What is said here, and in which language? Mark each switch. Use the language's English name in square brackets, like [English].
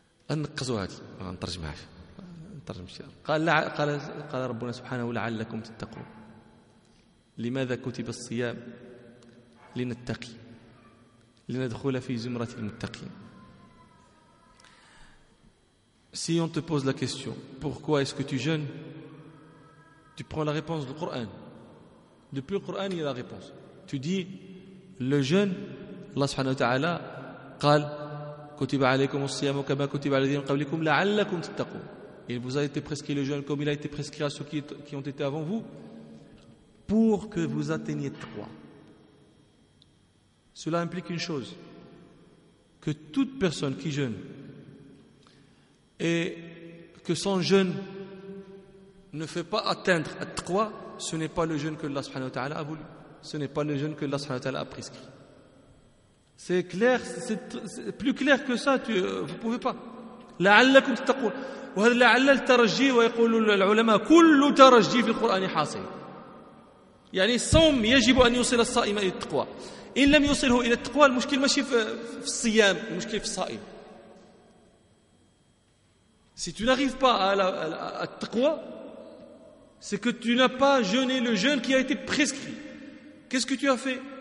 [Arabic] أنقذوا هذه نترجمها نترجم الشيء. قال ربنا سبحانه لعلكم تتقون. لماذا كتب الصيام؟ لنتقي لندخل في زمرة المتقين. [French] Si on te pose la question pourquoi est-ce que tu jeûnes, tu prends la réponse du Coran. Depuis le Coran, il y a la réponse. Tu dis, le jeûne, [Arabic] Allah subhanahu wa ta'ala, قال, كتب عليكم الصيام كما كتب على الذين قبلكم لعلكم تتقون. [French] Il vous a été prescrit le jeûne comme il a été prescrit à ceux qui ont été avant vous, pour que vous atteigniez le taqwa. Cela implique une chose, que toute personne qui jeûne, et que son jeûne ne fait pas atteindre à taqwa, ce n'est pas le jeûne que Allah subhanahu wa ta'ala a voulu. Ce n'est pas le jeûne que Allah subhanahu wa ta'ala a prescrit. C'est clair, c'est plus clair que ça, vous ne pouvez pas. [Arabic] لعلكم تتقون. وهذا لعل الترجي ويقول العلماء كل ترجي في القرآن حاصل. يعني الصوم يجب أن يوصل الصائم إلى التقوى. إن لم يوصله إلى التقوى المشكل ماشي في الصيام، المشكل في الصائم. [French] Si tu n'arrives pas à la taqwa, c'est que tu n'as pas jeûné le jeûne qui a été prescrit. Qu'est-ce que tu as fait?